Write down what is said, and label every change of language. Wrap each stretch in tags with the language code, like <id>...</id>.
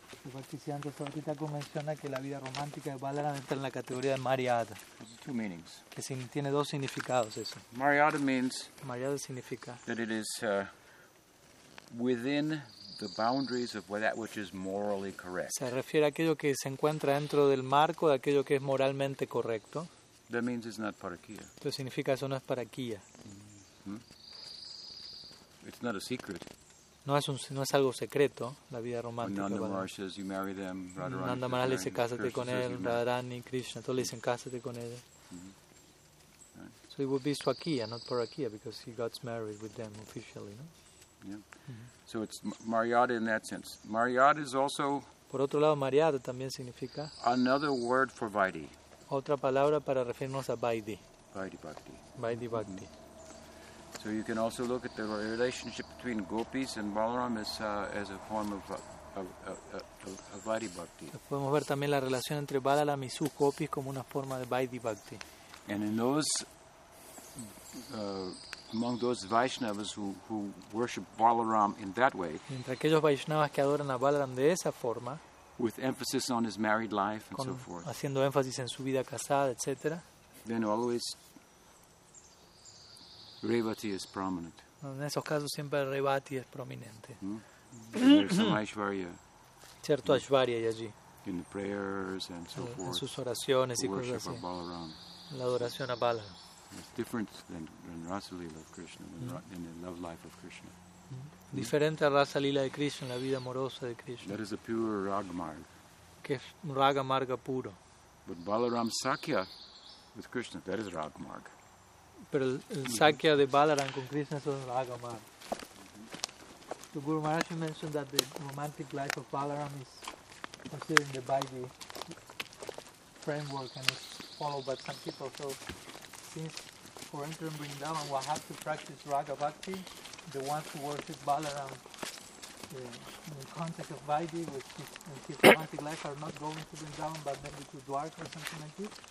<en>The participant of the talk mentioned that the romantic life of Balaram enters in the category of Mariada. There's two meanings.</en> <es>Que tiene dos significados eso.</es> <en>Mariada means.</en> <es>Mariada significa.</es> <en>That it is within the boundaries of that which is morally correct.</en> <es>Se refiere a aquello que se encuentra dentro del marco de aquello que es moralmente correcto.</es> <en>That means it's not parakia.</en> <es>Esto significa eso no es parakia.</es> <en>It's not a secret.</en> <es>No es algo secreto la vida romántica.</es> <en>When Nanda Maharaj says you marry them, Radharani.</en> <es>Nanda Maharaj le dice cásate con él, Radharani, Krishna, todos le dicen cásate con ella.</es> <en>So it would be swakia, not parakia, because he got married with them officially, no? Yeah. So it's Mariada in that sense. Mariada is also.</en> <es>Por otro lado, Mariada también significa.</es> <en>Another word for Vaidhi.</en> <es>Otra palabra para referirnos a Vaidhi.</es> <en>Vaidhi Bhakti.</en> <es>Vaidhi Bhakti.</es> <en>So you can also look at the relationship between gopis and Balaram as a form of a Vaidhi Bhakti.</en> <es>Podemos ver también la relación entre Balaram y sus gopis como una forma de Vaidhi Bhakti.</es> <en>And in those. Among those Vaishnavas who worship Balaram in that way,</en> <es>entre aquellos Vaishnavas que adoran a Balaram de esa forma,</es> <en>with emphasis on his married life and so forth,</en> <es>haciendo énfasis en su vida casada, etc.,</es> <en>then always Revati is prominent.</en> <es>En esos casos siempre Revati es prominente.</es> <en>There's some Aishwarya.</en> <es>Cierto Aishwarya hay allí.</es> <en>In the prayers and so forth.</en> <es>En sus oraciones y cosas así.</es> <en>Worship of Balaram.</en> <es>La adoración a Balaram.</es> <en>It's different than Rasa Lila of Krishna, than the love life of Krishna.</en> <es>Diferente a Rasa Lila de Krishna, la vida amorosa de Krishna.</es> <en>That is a pure Ragmarga.</en> <es>Que es un Ragamarga puro.</es> <en>But Balaram Sakya with Krishna, that is Ragmarga.</en> <es>Pero el Sakya de Balaram con Krishna es un Ragamarga.</es> <en>So Guru Maharaj mentioned that the romantic life of Balaram is considered in the Vaidhi framework and it's followed by some people. So since for entering Vrindavan we have to practice Raga Bhakti, the ones who worship Balaram in the context of Vaidhi with his romantic life are not going to Vrindavan but maybe to Dwarka or something like this.</en>